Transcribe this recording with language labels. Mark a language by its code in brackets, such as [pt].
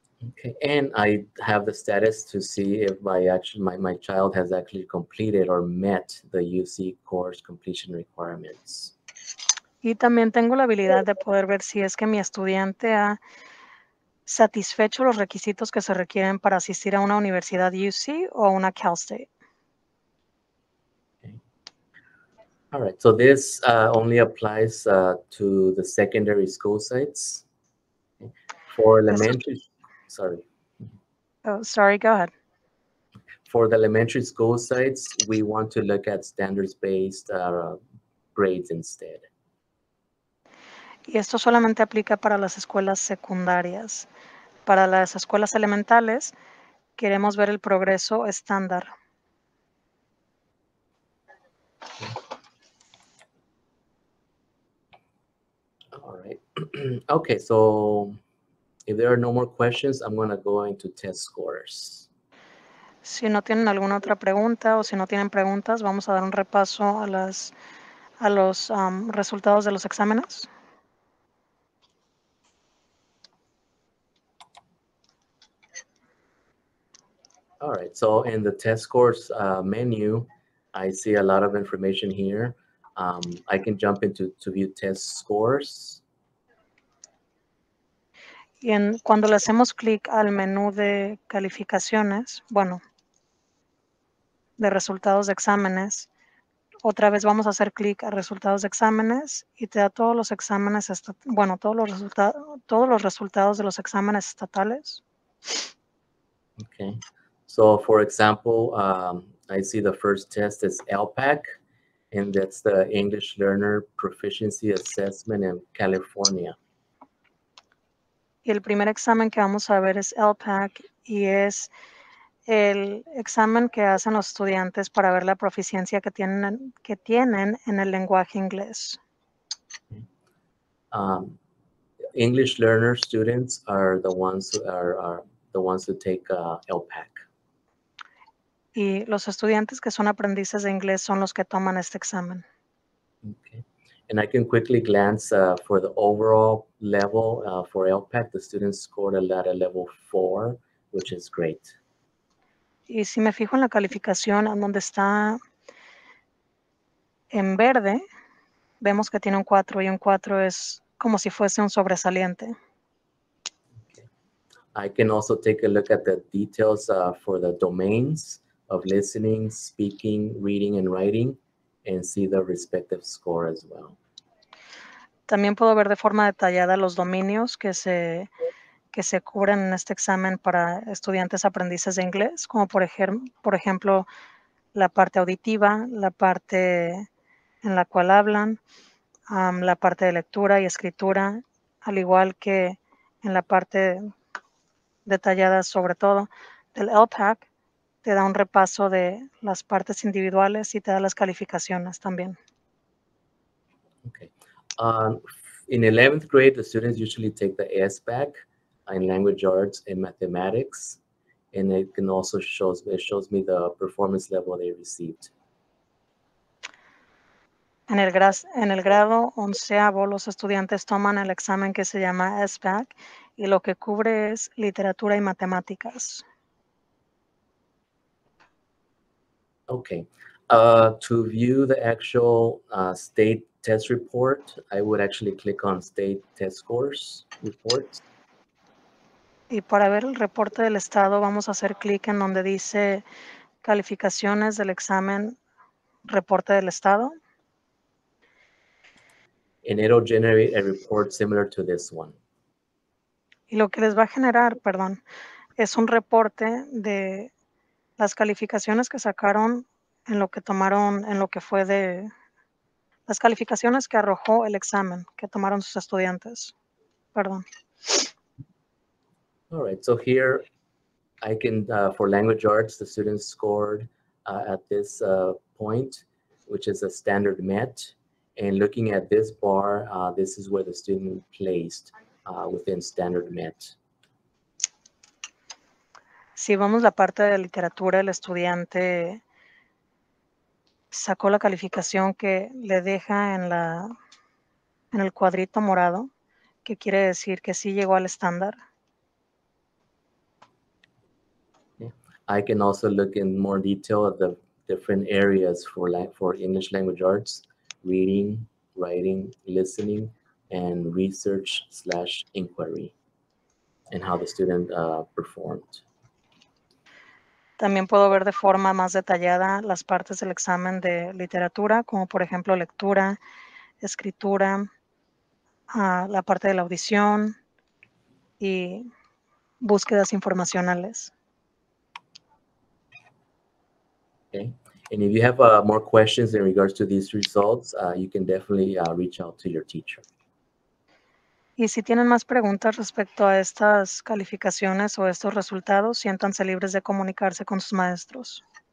[en] Okay, and I have the status to see if my child has actually completed or met the UC course completion requirements. [es] Y también tengo la habilidad de poder ver si es que mi estudiante ha satisfecho los requisitos que se requieren para asistir a una universidad UC o a una Cal State. [en] Okay. All right, so this only applies to the secondary school sites. Okay. For elementary, go ahead. For the elementary school sites, we want to look at standards-based grades instead. [es] Y esto solamente aplica para las escuelas secundarias. Para las escuelas elementales, queremos ver el progreso estándar. [en] All right. Okay, so if there are no more questions, I'm going to go into test scores. [es] Si no tienen alguna otra pregunta o si no tienen preguntas, vamos a dar un repaso a las a los resultados de los exámenes. [en] All right, so in the test scores menu, I see a lot of information here. I can jump into to view test scores. [es] Y en, cuando le hacemos clic al menú de calificaciones, bueno, de resultados de exámenes, otra vez vamos a hacer clic a resultados de exámenes y te da todos los exámenes, todos los resultados de los exámenes estatales. [en] Okay. So, for example, I see the first test is ELPAC, and that's the English Learner Proficiency Assessment in California. [es] Y el primer examen que vamos a ver es ELPAC, y es el examen que hacen los estudiantes para ver la proficiencia que tienen en el lenguaje inglés. [en] English Learner students are the ones who are the ones who take ELPAC. [es] Y los estudiantes que son aprendices de inglés son los que toman este examen. [en] Okay. And I can quickly glance for the overall level for ELPAC. The students scored a letter level 4, which is great. [es] Y si me fijo en la calificación en donde está en verde, vemos que tiene un 4 y un 4 es como si fuese un sobresaliente. [en] Okay. I can also take a look at the details for the domains of listening, speaking, reading, and writing, and see the respective score as well. [es] También puedo ver de forma detallada los dominios que se cubren en este examen para estudiantes aprendices de inglés, como por ejemplo, la parte auditiva, la parte en la cual hablan, la parte de lectura y escritura, al igual que en la parte detallada, sobre todo, del ELPAC, te da un repaso de las partes individuales y te da las calificaciones también. [en] Okay. In 11th grade, the students usually take the SBAC in language arts and mathematics, and it shows me the performance level they received. [es] En el grado 11avo, los estudiantes toman el examen que se llama SBAC y lo que cubre es literatura y matemáticas. [en] Okay, to view the actual state test report, I would actually click on state test scores report. [es] Y para ver el reporte del estado, vamos a hacer clic en donde dice calificaciones del examen, reporte del estado. [en] And it'll generate a report similar to this one. [es] Y lo que les va a generar, perdón, es un reporte de las calificaciones que sacaron en lo que tomaron, en lo que fue de las calificaciones que arrojó el examen que tomaron sus estudiantes. Perdón. [en] All right, so here I can, for language arts, the students scored at this point which is a standard met, and looking at this bar, this is where the student placed within standard met. [es] Si vamos la parte de literatura, el estudiante sacó la calificación que le deja en la en el cuadrito morado, que quiere decir que sí llegó al estándar. [en] I can also look in more detail at the different areas for like for English language arts, reading, writing, listening, and research slash inquiry, and how the student performed. [es] También puedo ver de forma más detallada las partes del examen de literatura, como por ejemplo lectura, escritura, la parte de la audición y búsquedas informacionales. [en] Okay. And if you have more questions in regards to these results, you can definitely reach out to your teacher. [es] Y si tienen más preguntas respecto a estas calificaciones o estos resultados, siéntanse libres de comunicarse con sus maestros.